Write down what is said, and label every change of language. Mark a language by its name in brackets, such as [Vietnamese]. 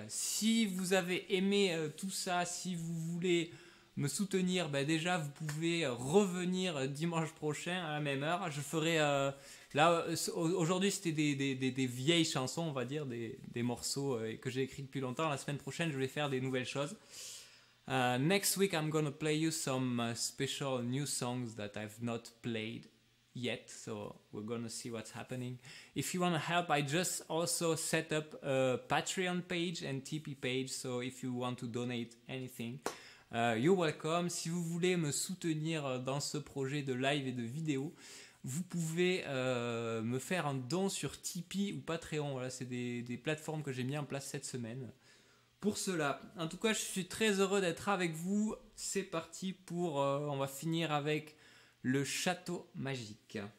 [French] Si vous avez aimé tout ça, si vous voulez me soutenir, ben déjà vous pouvez revenir dimanche prochain à la même heure. Je ferai là aujourd'hui c'était des vieilles chansons, on va dire des morceaux que j'ai écrits depuis longtemps. La semaine prochaine je vais faire des nouvelles choses. [English] Next week I'm gonna play you some special new songs that I've not played yet, so we're gonna see what's happening. If you want to help, I just also set up a Patreon page and Tipeee page, so if you want to donate anything, you're welcome. [French] Si vous voulez me soutenir dans ce projet de live et de vidéo, vous pouvez me faire un don sur Tipeee ou Patreon. Voilà, c'est des plateformes que j'ai mis en place cette semaine pour cela. En tout cas, je suis très heureux d'être avec vous. C'est parti pour on va finir avec Le château magique.